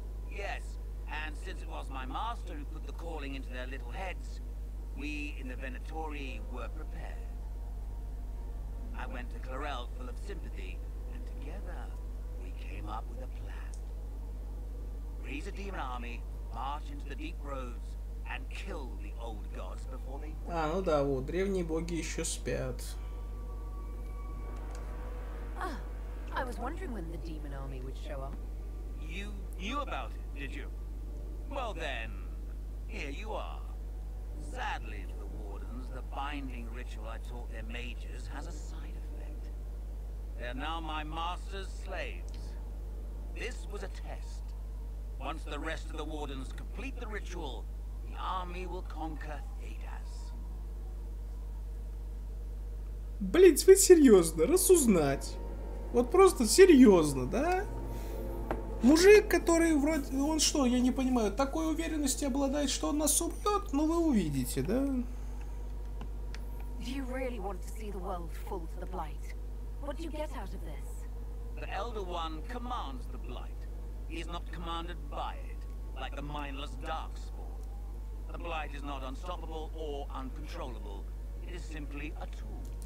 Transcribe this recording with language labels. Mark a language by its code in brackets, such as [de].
[en] Yes, and since it was my master who put the calling into their little heads, we in the Venatori were prepared. I went to Clarell full of sympathy, and together we came up with a plan. Raise a demon army, march into the deep roads, and kill the old gods before they... [ru] А, ну да, вот, древние боги еще спят. [en] I was wondering when the demon army would show up. You knew about it, did you? Well then, here you are. Sadly to the wardens, the binding ritual I taught their mages has a side effect. They're now my master's slaves. This was a test. Once the rest of the wardens complete the ritual, the army will conquer Thedas. [ru] Блин, вы серьезно? Разузнать? Вот просто серьезно, да? Мужик, который вроде... Он что, я не понимаю, такой уверенности обладает, что он нас убьет? Ну вы увидите, да? [en] Do you really want to see the world fall to the blight? What do you get out of this? The Elder One commands the blight. He is not commanded by it, like the mindless darkspawn. The blight is not unstoppable or uncontrollable. It is simply a tool.